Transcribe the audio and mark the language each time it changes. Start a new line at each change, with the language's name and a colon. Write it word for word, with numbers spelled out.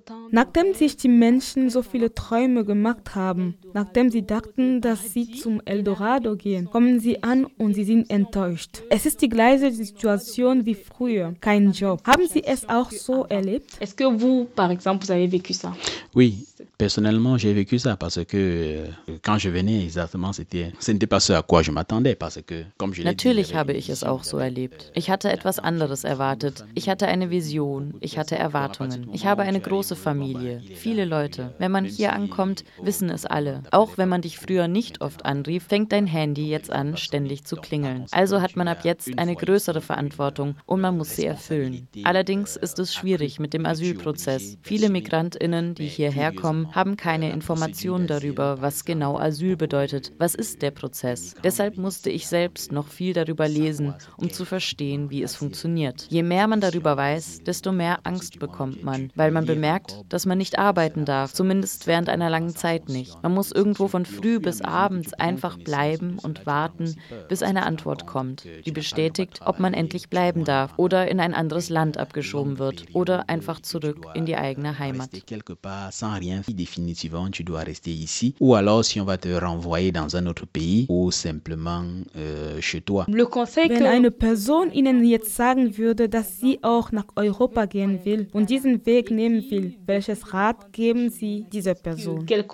German: Nachdem sich die Menschen so viele Träume gemacht haben, nachdem sie dachten, dass sie zum Eldorado gehen, kommen sie an und sie sind enttäuscht. Es ist die gleiche Situation wie früher, kein Job. Haben Sie es auch so erlebt?
French: Est-ce que vous, par exemple, vous avez vécu ça? Oui, personnellement, j'ai vécu ça parce que euh, quand je venais exactement, c'était, ce n'était pas ce à quoi je m'attendais parce que comme je l'ai dit,
German: natürlich habe ich es auch so erlebt. Ich hatte etwas anderes erwartet. Ich hatte eine Vision. Ich hatte Erwartungen. Ich habe eine große Familie, viele Leute. Wenn man hier ankommt, wissen es alle. Auch wenn man dich früher nicht oft anrief, fängt dein Handy jetzt an, ständig zu klingeln. Also hat man ab jetzt eine größere Verantwortung und man muss sie erfüllen. Allerdings ist es schwierig mit dem Asylprozess. Viele MigrantInnen, die hierher kommen, haben keine Informationen darüber, was genau Asyl bedeutet. Was ist der Prozess? Deshalb musste ich selbst noch viel darüber lesen, um zu verstehen, wie es funktioniert. Je mehr man darüber weiß, desto mehr Angst bekommt man, weil man bemerkt, dass man nicht arbeiten darf, zumindest während einer langen Zeit nicht. Man muss irgendwo von früh bis abends einfach bleiben und warten, bis eine Antwort kommt, die bestätigt, ob man endlich bleiben darf oder in ein anderes Land abgeschoben wird oder einfach zurück in die eigene Heimat.
French: Sans rien, définitivement, tu dois rester ici. Ou alors, si on va te renvoyer dans un autre pays ou simplement euh, chez toi.
German: Wenn eine Person Ihnen jetzt sagen würde, dass sie auch nach Europa gehen will und diesen Weg nehmen will, welches Rat geben Sie dieser Person?